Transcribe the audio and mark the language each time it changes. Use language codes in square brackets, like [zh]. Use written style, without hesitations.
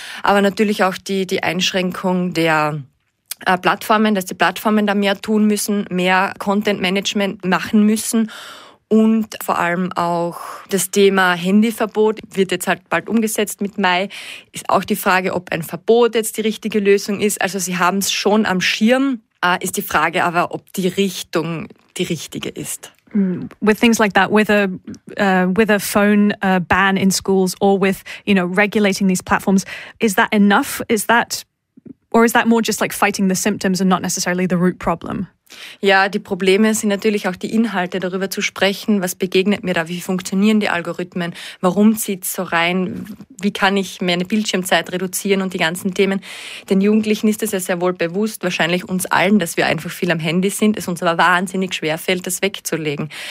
[de] Aber natürlich auch die Einschränkung der Plattformen, dass die Plattformen da mehr tun müssen, mehr Content-Management machen müssen. Und vor allem auch das Thema Handyverbot wird jetzt halt bald umgesetzt mit Mai. Ist auch die Frage, ob ein Verbot jetzt die richtige Lösung ist. Also sie haben es schon am Schirm. Ist die Frage aber, ob die Richtung die richtige ist. [en] With things like that, with a phone ban in schools or with, you know, regulating these platforms, is that enough? Is that more just like fighting the symptoms and not necessarily the root problem? [de] Ja, die Probleme sind natürlich auch die Inhalte, darüber zu sprechen, was begegnet mir da, wie funktionieren die Algorithmen, warum zieht es so rein, wie kann ich meine Bildschirmzeit reduzieren und die ganzen Themen. Den Jugendlichen ist es ja sehr wohl bewusst, wahrscheinlich uns allen, dass wir einfach viel am Handy sind, es uns aber wahnsinnig schwerfällt, das wegzulegen.